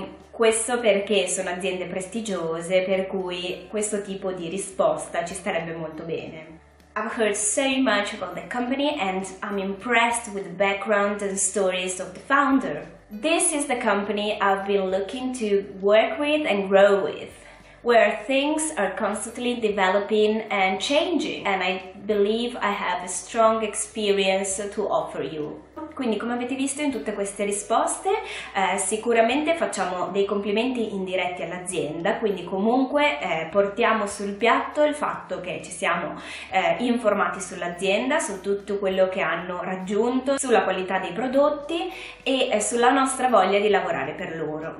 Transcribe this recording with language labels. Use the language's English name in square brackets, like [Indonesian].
[Italian] Questo perché sono aziende prestigiose, per cui questo tipo di risposta ci starebbe molto bene. [English] I've heard so much about the company and I'm impressed with the background and stories of the founder. This is the company I've been looking to work with and grow with, where things are constantly developing and changing, and I believe I have a strong experience to offer you. [Italian] Quindi, come avete visto in tutte queste risposte, sicuramente facciamo dei complimenti indiretti all'azienda, quindi comunque portiamo sul piatto il fatto che ci siamo informati sull'azienda, su tutto quello che hanno raggiunto, sulla qualità dei prodotti e sulla nostra voglia di lavorare per loro.